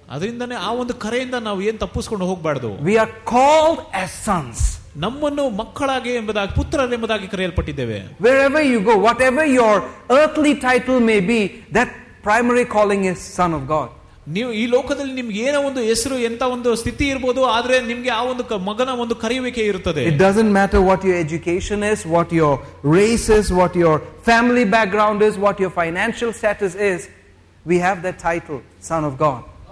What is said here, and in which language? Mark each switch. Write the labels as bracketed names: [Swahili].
[Kannada] ಅದರಿಂದನೇ ಆ ಒಂದು ಕರೆಯಿಂದ ನಾವು ಏನ್ ತಪ್ಪಿಸ್ಕೊಂಡು ಹೋಗಬಾರದು. [English] We are called as sons. [Kannada] ನಮ್ಮನ್ನು ಮಕ್ಕಳಾಗಿ ಎಂಬುದಾಗಿ ಪುತ್ರರ ಎಂಬುದಾಗಿ ಕರೆಯಲ್ಪಟ್ಟಿದ್ದೇವೆ. [English] Wherever you go, whatever your earthly title may be, that primary calling is son of God. [Kannada] ನೀವು ಈ ಲೋಕದಲ್ಲಿ ನಿಮ್ಗೆ ಏನೋ ಒಂದು ಹೆಸರು ಎಂತ ಒಂದು ಸ್ಥಿತಿ ಇರಬಹುದು, ಆದ್ರೆ ನಿಮ್ಗೆ ಆ ಒಂದು ಮಗನ ಒಂದು ಕರೆಯುವಿಕೆ ಇರುತ್ತದೆ. [English] It doesn't matter what your education is, what your race is, what your family background is, what your financial status is, we have that title son of God.